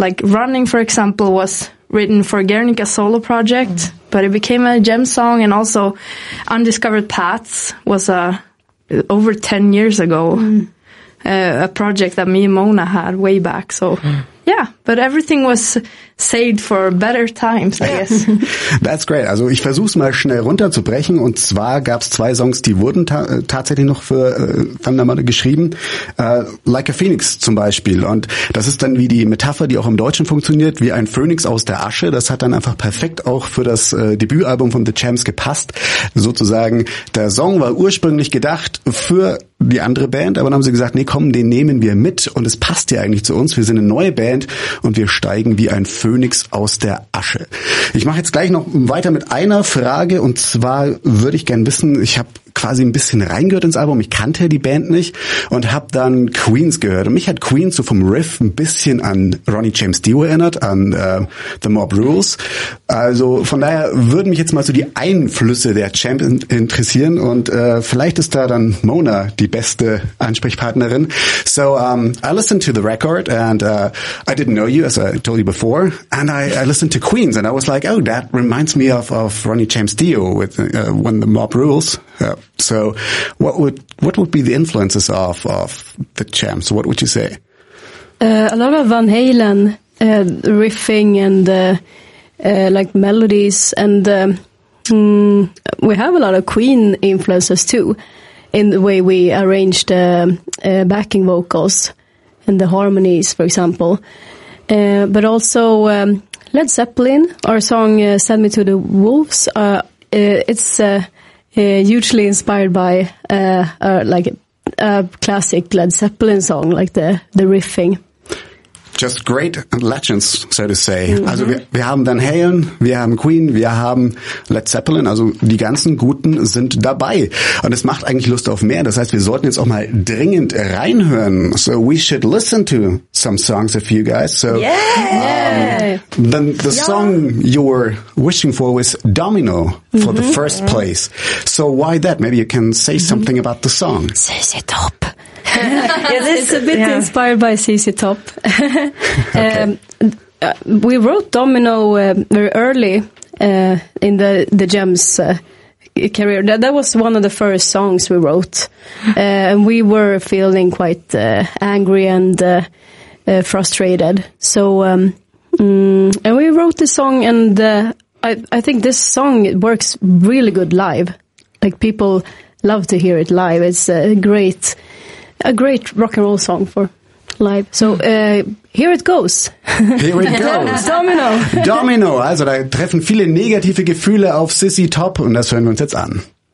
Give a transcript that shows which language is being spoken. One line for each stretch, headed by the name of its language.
English: Like Running, for example, was written for Gernika's solo project, but it became a Champs song, and also Undiscovered Paths was a... over 10 years ago, a project that me and Mona had way back. So Yeah, but everything was saved for better times, I guess. That's great.
German: Also ich versuch's mal schnell runterzubrechen. Und zwar gab's zwei Songs, die wurden tatsächlich noch für Thundermother geschrieben. Like a Phoenix zum Beispiel. Und das ist dann wie die Metapher, die auch im Deutschen funktioniert, wie ein Phönix aus der Asche. Das hat dann einfach perfekt auch für das Debütalbum von The Champs gepasst. Sozusagen, der Song war ursprünglich gedacht für die andere Band, aber dann haben sie gesagt, nee, komm, den nehmen wir mit und es passt ja eigentlich zu uns. Wir sind eine neue Band und wir steigen wie ein Phönix aus der Asche. Ich mache jetzt gleich noch weiter mit einer Frage und zwar würde ich gerne wissen, ich habe quasi ein bisschen reingehört ins Album, ich kannte die Band nicht und habe dann Queens gehört. Und mich hat Queens so vom Riff ein bisschen an Ronnie James Dio erinnert, an The Mob Rules. Also von daher würden mich jetzt mal so die Einflüsse der Champs interessieren und vielleicht ist da dann Mona die beste Ansprechpartnerin.
English: So I listened to the record and I didn't know you, as I told you before, and I listened to Queens and I was like, oh, that reminds me of Ronnie James Dio with when The Mob Rules. So what would be the influences of the Champs? What would you say? A lot of Van Halen riffing and like melodies, and we have a lot of Queen influences too in the way we arrange the backing vocals and the harmonies, for example. But also Led Zeppelin, our song Send Me to the Wolves, hugely inspired by a classic Led Zeppelin song, like the riffing. Just great legends, so to say. Mm-hmm.
German: Also wir haben Van Halen, wir haben Queen, wir haben Led Zeppelin, also die ganzen Guten sind dabei. Und es macht eigentlich Lust auf mehr. Das heißt, wir sollten jetzt auch mal dringend reinhören.
English: So we should listen to some songs of you guys. So yeah. Song you were wishing for was Domino for mm-hmm. the first yeah. place. So why that? Maybe you can say mm-hmm. something about the song. Says it up. Yeah, this is a bit inspired by ZZ Top. We wrote Domino very early in the Gems career. That was one of the first songs we wrote. And we were feeling quite angry and frustrated. So, and we wrote the song, and I think this song works really good live. Like, people love to hear it live. It's a great rock and roll song for live. So here it goes. Here it goes. Domino. Domino.
German: Also da treffen viele negative Gefühle auf ZZ Top und das hören wir uns jetzt an.